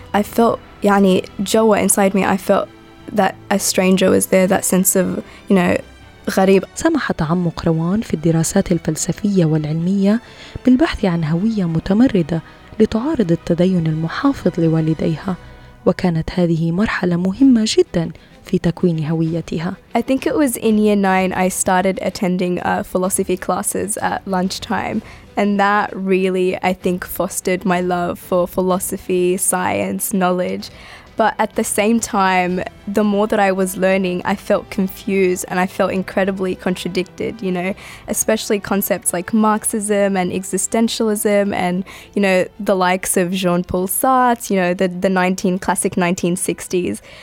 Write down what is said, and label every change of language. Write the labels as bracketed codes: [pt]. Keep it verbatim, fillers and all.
[en] I felt [ar] يعني جوا [en] inside me I felt that a stranger was there, that sense of, you know, غريب. [ar] سمح تعمق روان في الدراسات الفلسفية والعلمية بالبحث عن هوية متمردة لتعارض التدين المحافظ لوالديها، وكانت هذه مرحلة مهمة جداً في تكوين هويتها. [en] I think it was in year nine I started attending uh, philosophy classes at lunchtime, and that really I think fostered my love for philosophy, science, knowledge. But at the same time, the more that I was learning, I felt confused and I felt incredibly contradicted, you know, especially concepts like Marxism and existentialism and, you know, the likes of Jean-Paul Sartre, you know, the, the nineteen classic nineteen sixties.